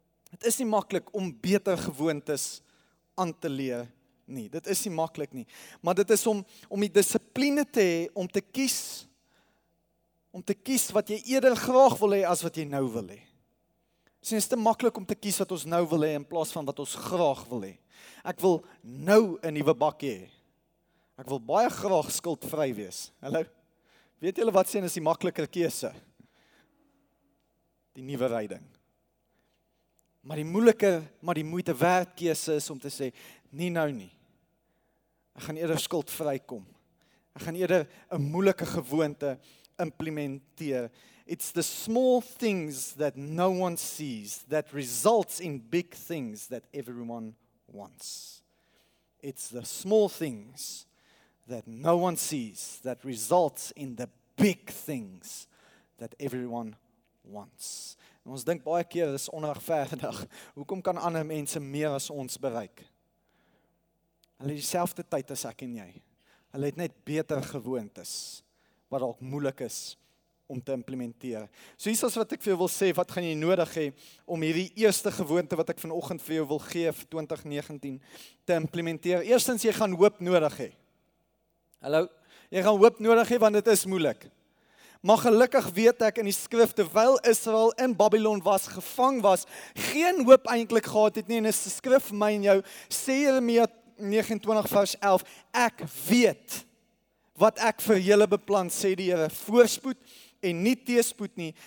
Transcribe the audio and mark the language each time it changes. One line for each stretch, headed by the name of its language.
Afrikaans: Dit is nie makkelijk om beter gewoontes aan te leer nie. Dit is nie makkelijk nie. Maar dit is om die discipline te hê om te kies wat jy eerder graag wil hê as wat jy nou wil hê. Sien, is te makkelijk om te kies wat ons nou wil hê in plaas van wat ons graag wil hê. Ek wil nou 'n nuwe bak hê. Ek wil baie graag skuldvry wees. Hallo. Weet julle wat sien is die makliker keuse? Die nuwe ryding. Maar die moeiliker, maar die moeite werd keuse is om te sê nie nou nie. Ek gaan eerder skuldvry kom. Ek gaan eerder 'n moeilike gewoonte implementeer.
English: It's the small things that no one sees that results in big things that everyone wants. It's the small things that no one sees that results in the big things that everyone wants.
Afrikaans: En ons dink baie keer, dis onregverdig. Hoekom kan ander mense meer as ons bereik? Hulle het dieselfde tyd as ek en jy. Hulle het net beter gewoontes wat dalk moeilik is om te implementeer. So hier is wat ek vir jou wil sê, wat gaan jy nodig hê om hierdie eerste gewoonte wat ek vanoggend vir jou wil gee vir 2019 te implementeer. Eerstens, jy gaan hoop nodig hê. Hallo, jy gaan hoop nodig hê want dit is moeilik. Maar gelukkig weet ek in die skrif, terwyl Israel in Babylon was, gevang was, geen hoop eintlik gehad het nie, en is die skrif vir my en jou, sê Jeremia 29 vers 11, ek weet wat ek vir julle beplan, sê die Here, voorspoed en nie teespoed nie.